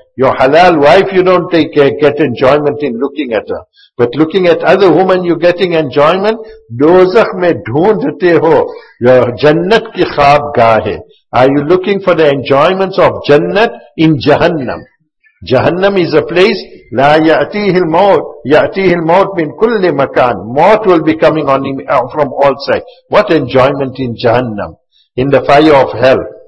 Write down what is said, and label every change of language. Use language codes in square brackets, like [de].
[en] Your halal wife, you don't take get enjoyment in looking at her. But looking at other women, you're getting enjoyment. [ur] Dozakh mein dhoondte ho, [en] your [ur] jannat ki khab gaah hai. [en] Are you looking for the enjoyments of jannat in Jahannam? Jahannam is a place, [ar] لا يأتيه الموت من كل مكان. [en] Mort will be coming on him from all sides. What enjoyment in Jahannam, in the fire of hell.